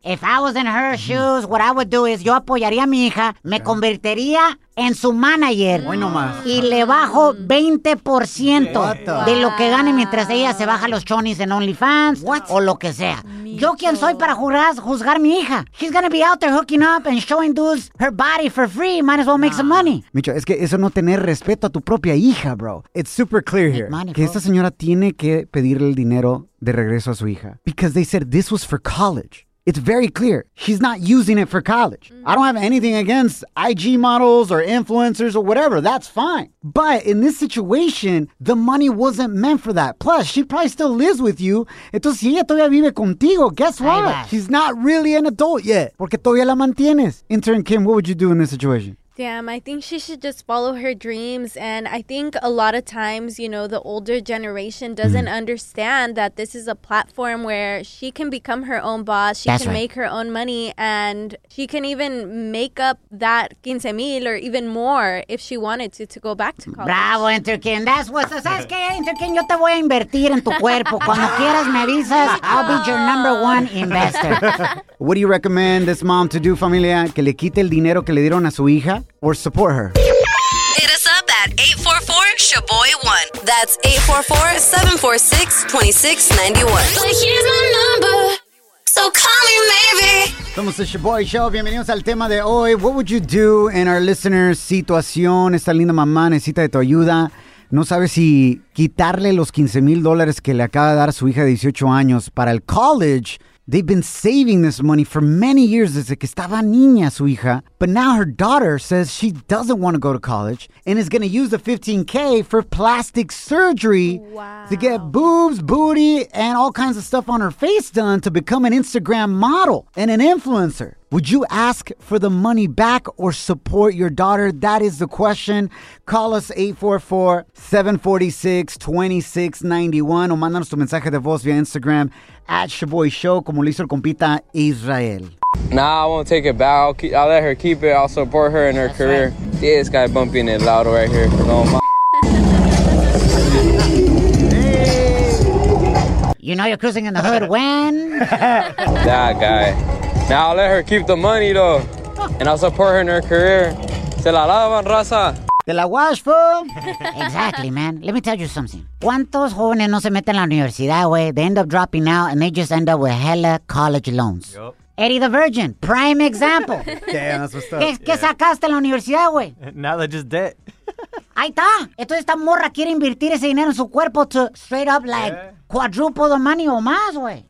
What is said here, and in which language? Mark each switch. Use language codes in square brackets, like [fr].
[en] If I was in her shoes, what I would do is [es] yo apoyaría a mi hija, me convertiría en su manager. Hoy no más. Y le bajo 20% de lo que gane mientras ella se baja los chonis en OnlyFans o lo que sea. ¿Yo quién soy para juzgar a mi hija? [en] She's gonna be out there hooking up and showing dudes her body for free. Might as well make some money. [es] Micho, es que eso no tener respeto a tu propia hija, bro. [en] It's super clear here. [es] Que esta señora tiene que pedirle el dinero de regreso a su hija. [en] Because they said this was for college. It's very clear. She's not using it for college. I don't have anything against IG models or influencers or whatever. That's fine. But in this situation, the money wasn't meant for that. Plus, she probably still lives with you. [es] Entonces, si ella todavía vive contigo, [en] guess what? She's not really an adult yet. [es] Porque todavía la mantienes. [en] Intern Kim, what would you do in this situation? Damn, I think she should just follow her dreams. And I think a lot of times, you know, the older generation doesn't understand that this is a platform where she can become her own boss. She That's can right. make her own money and she can even make up that 15 mil or even more if she wanted to go back to college. Bravo, Interkin. That's what's up. [es] ¿Sabes qué, Interkin? Yo te voy a invertir en tu cuerpo. Cuando quieras, me avisas. [en] I'll be your number one investor. What do you recommend this mom to do, familia? [es] Que le quite el dinero que le dieron a su hija. [en] Or support her. Hit us up at 844-SHABOY1. That's 844-746-2691. But here's my number, so call me maybe. [es] Somos el Shaboy Show. Bienvenidos al tema de hoy. [en] What would you do in our listener's situación? [es] Esta linda mamá necesita de tu ayuda. No sabe si quitarle los 15 mil dólares que le acaba de dar a su hija de 18 años para el college. [en] They've been saving this money for many years [es] desde que estaba niña su hija. [en] But now her daughter says she doesn't want to go to college and is going to use the 15K for plastic surgery to get boobs, booty, and all kinds of stuff on her face done to become an Instagram model and an influencer. Would you ask for the money back or support your daughter? That is the question. Call us 844-746-2691 [es] o mándanos tu mensaje de voz via Instagram at Shaboy Show, como lo hizo el compita Israel. [en] Nah, I won't take it back. I'll let her keep it. I'll support her in her That's career. Right. Yeah, this guy bumping it loud right here. No, my- you know you're cruising in the hood when? That guy. Nah, I'll let her keep the money, though. And I'll support her in her career. [es] Se la lavan, raza. [en] Te la wash, fool. Exactly, man. Let me tell you something. [es] ¿Cuántos jóvenes no se meten a la universidad, güey? [en] They end up dropping out, and they just end up with hella college loans. Yup. Eddie the Virgin, prime example. Damn, that's what's up. [es] ¿Qué sacaste en la universidad, güey? [en] Nada, just debt. [es] Ahí está. Entonces esta morra quiere invertir ese dinero en su cuerpo [en] to straight up like quadruple the money [es] o más, güey.